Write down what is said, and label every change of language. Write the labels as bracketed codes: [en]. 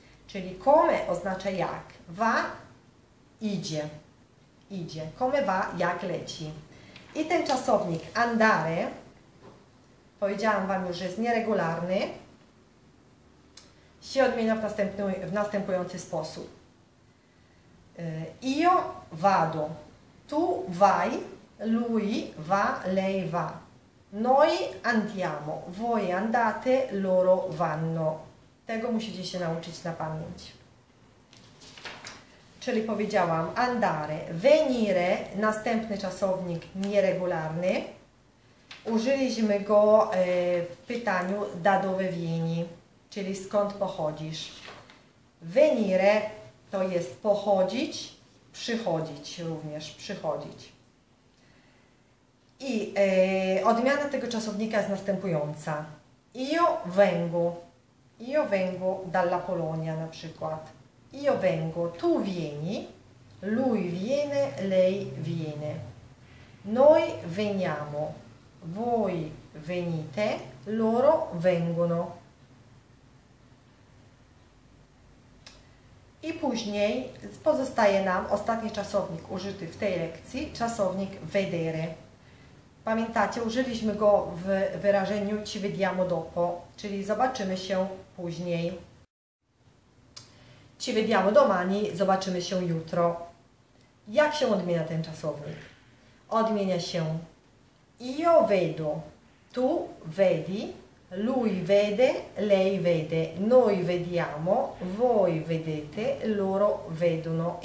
[pl] Czyli come oznacza jak, va idzie, idzie. [it] Come va, [pl] jak leci. I ten czasownik andare, powiedziałam Wam już, że jest nieregularny, się odmienia w następujący sposób. [it] Io vado, tu vai, lui va, lei va, noi andiamo, voi andate, loro vanno. [pl] Tego musicie się nauczyć na pamięć. Czyli powiedziałam andare, venire, następny czasownik nieregularny. Użyliśmy go w pytaniu [it] da dove vieni, [pl] czyli skąd pochodzisz. Venire to jest pochodzić, przychodzić również, przychodzić. I odmiana tego czasownika jest następująca. [it] Io vengo dalla Polonia [pl] na przykład. [it] Io vengo, tu vieni, lui viene, lei viene. Noi veniamo, voi venite, loro vengono. [pl] I później pozostaje nam ostatni czasownik użyty w tej lekcji, czasownik vedere. Pamiętacie, użyliśmy go w wyrażeniu [it] ci vediamo dopo, [pl] czyli zobaczymy się później. [it] Ci vediamo domani, [pl] zobaczymy się jutro. Jak się odmienia ten czasownik? Odmienia się [it] io vedo, tu vedi. Lui vede, lei vede, noi vediamo, voi vedete, loro vedono.